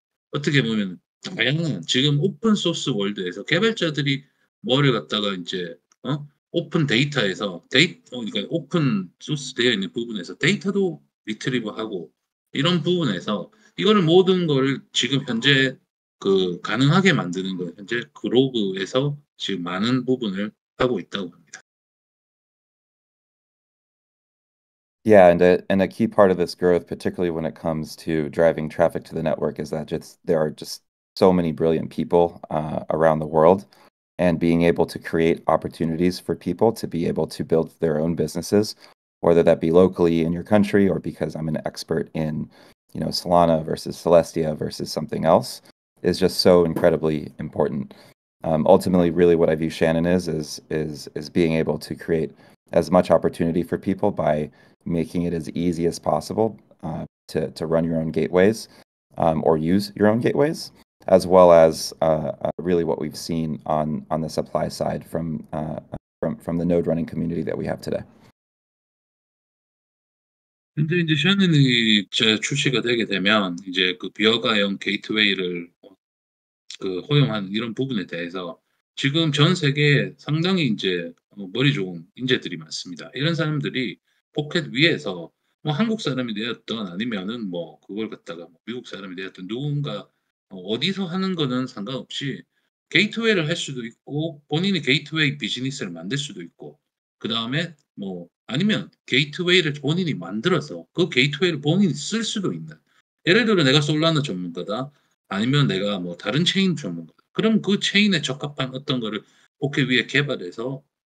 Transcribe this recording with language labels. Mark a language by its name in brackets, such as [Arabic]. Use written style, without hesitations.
[Korean] 어떻게 보면 다양한 지금 오픈 소스 월드에서 개발자들이 뭐를 갖다가 이제 오픈 데이터에서 그러니까 오픈 소스 되어 있는 부분에서 데이터도 리트리브하고 이런 부분에서 이거를 모든 걸 지금 현재 그 가능하게 만드는 거 현재 그로브에서 지금 많은 부분을 하고 있다고 합니다. [English] Yeah, and a key part of this growth, particularly when it comes to driving traffic to the network, is that just there are just so many brilliant people around the world, and being able to create opportunities for people to be able to build their own businesses, whether that be locally in your country or because I'm an expert in, you know, Solana versus Celestia versus something else, is just so incredibly important. Ultimately, really, what I view Shannon is being able to create as much opportunity for people by making it as easy as possible to run your own gateways or use your own gateways, as well as really what we've seen on the supply side from the node running community that we have today. [Korean] 근데 이제 샤넨이 출시가 되게 되면 이제 그 비허가형 게이트웨이를 그 허용한 이런 부분에 대해서 지금 전 세계에 상당히 이제 머리 좋은 인재들이 많습니다. 이런 사람들이 포켓 위에서 뭐 한국 사람이 되었든 아니면은 뭐 그걸 갖다가 미국 사람이 되었든 누군가 어디서 하는 거는 상관없이 게이트웨이를 할 수도 있고 본인이 게이트웨이 비즈니스를 만들 수도 있고 그 다음에 뭐 아니면 게이트웨이를 본인이 만들어서 그 게이트웨이를 본인이 쓸 수도 있는 예를 들어 내가 솔라나 전문가다 아니면 내가 뭐 다른 체인 전문가 그럼 그 체인에 적합한 어떤 거를 포켓 위에 개발해서